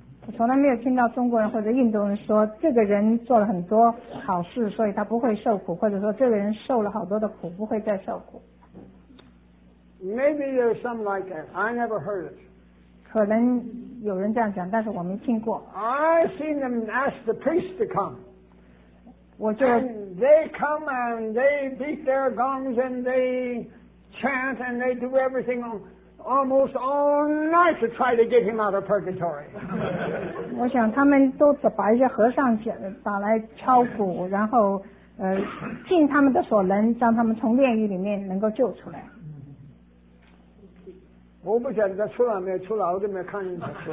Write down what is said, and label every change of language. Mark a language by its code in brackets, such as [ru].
[zh] 我从来没有听到中国人或者印度人说这个人做了很多好事所以他不会受苦或者说这个人受了好多的苦不会再受苦 [en] Maybe there's something like that I never heard it [zh] 可能有人这样讲但是我没听过 [en] I've seen them ask the priest to come [zh] 我就 [en] And they come and they beat their gongs and they chant and they do everything onAlmost all night to try to get him out of purgatory. [zh] 我想他们都把一些和尚打来敲鼓，然后尽他们的所能，让他们从炼狱里面能够救出来。我不晓得出来没有出来，我都没看见他出